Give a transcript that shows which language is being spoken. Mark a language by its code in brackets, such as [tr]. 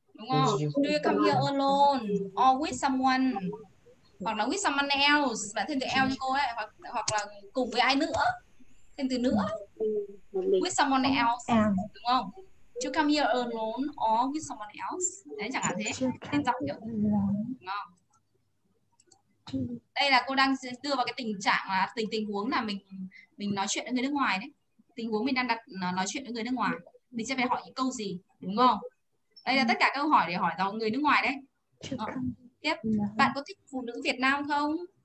[en] Do you come here alone or with someone? [vi] Hoặc là [en] with someone else, [vi] bạn thêm từ else cô ấy, hoặc là cùng với ai nữa, thêm từ nữa. [en] With someone else, [vi] đúng không? [en] Do you come here alone or with someone else? [vi] Đấy, chẳng hạn thế, thêm giọng kiểu, đúng không? Đây là cô đang đưa vào cái tình trạng là tình huống là mình nói chuyện với người nước ngoài đấy. Tình huống mình đang đặt nói chuyện với người nước ngoài, mình sẽ phải hỏi những câu gì, đúng không? Đây là tất cả câu hỏi để hỏi vào người nước ngoài đấy. Tiếp, bạn có thích phụ nữ Việt Nam không?